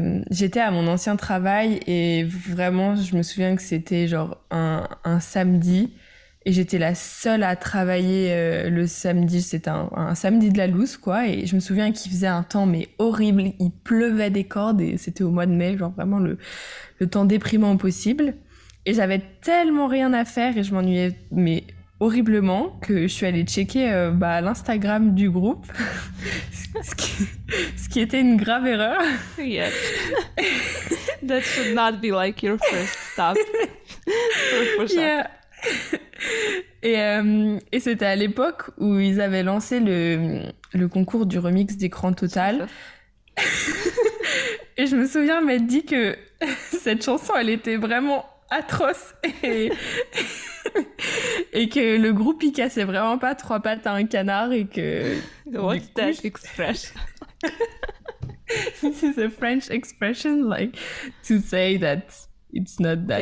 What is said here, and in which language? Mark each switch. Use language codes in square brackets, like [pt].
[fr] J'étais à mon ancien travail et vraiment je me souviens que c'était genre un samedi et j'étais la seule à travailler le samedi, c'était un samedi de la loose quoi, et je me souviens qu'il faisait un temps mais horrible, il pleuvait des cordes et c'était au mois de mai, genre vraiment le temps déprimant possible, et j'avais tellement rien à faire et je m'ennuyais mais horriblement que je suis allée checker l'Instagram du groupe, ce qui était une grave erreur. [en] Yes. That should not be like your first stop. Yeah. [fr] Et c'était à l'époque où ils avaient lancé le concours du remix d'écran total. Et je me souviens m'être dit que cette chanson, elle était vraiment atroce et que le groupe y cassait vraiment pas trois pattes à un canard et que... [en] What's that expression? This is a French expression, like, to say that it's not that...